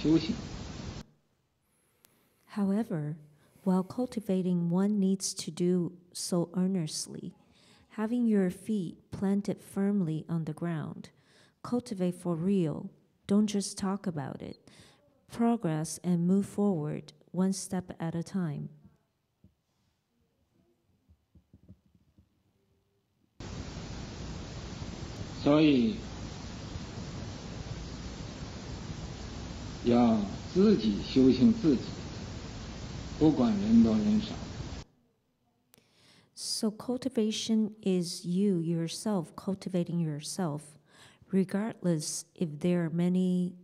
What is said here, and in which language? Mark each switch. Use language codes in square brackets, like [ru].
[zh] 不过修行是要认真去修行，要脚扎实地，实实在在的，一步一步向前去修行。 [en] However, while cultivating, one needs to do so earnestly, having your feet planted firmly on the ground. Cultivate for real. Don't just talk about it. Progress and move forward one step at a time. [zh] 所以要自己修行自己，不管人多人少。 [en] So cultivation is you yourself cultivating yourself, regardless if there are many.